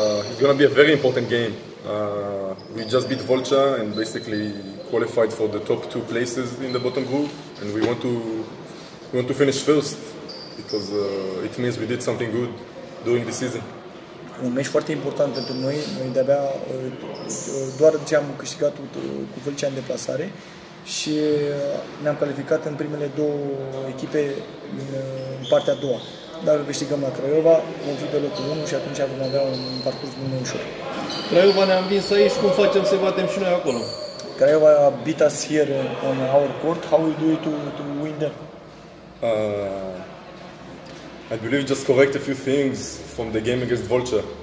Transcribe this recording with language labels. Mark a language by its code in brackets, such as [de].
[en] It's gonna be a very important game. We just beat Volcea and basically qualified for the top two places in the bottom group, and we want to finish first because it means we did something good during the season. [ro] Un meci foarte important pentru noi. Noi de-abia doar ce am câștigat cu Vâlcea în deplasare și ne-am calificat în primele două echipe în partea a doua. Dacă câștigăm la Craiova, vom fi pe locul 1 și atunci vom avea un parcurs mult mai ușor. Craiova ne-a învins aici, cum facem să batem și noi acolo? [en] Craiova beat us here on our court. How will you do it to win them? I believe just correct a few things from the game against Volcea.